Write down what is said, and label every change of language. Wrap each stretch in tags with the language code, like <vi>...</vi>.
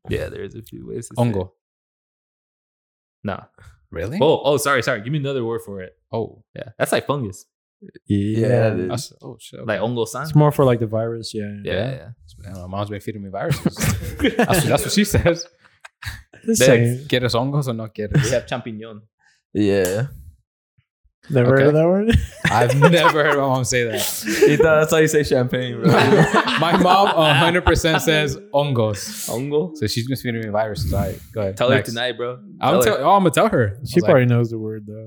<en>Yeah, there's a few ways to say it. Hongo. Nah. Really? Oh, sorry. Give me another word for it. Oh. Yeah. That's like fungus. Yeah. Shit. Okay. Like hongo san. It's more for like the virus. Yeah. My mom's been feeding me viruses. that's what she says.</en> <es>¿Quieres hongos o no quieres?</es> <en>We have champiñón. Yeah. Never heard of that word? I've never heard my mom say that. That's how you say champagne, bro. My mom 100% says hongos.</en> <es>Hongo?</es> <en>So she's just feeding me viruses. All right, go ahead. Tell her tonight, bro. I'm going to tell her. She probably knows the word, though.</en>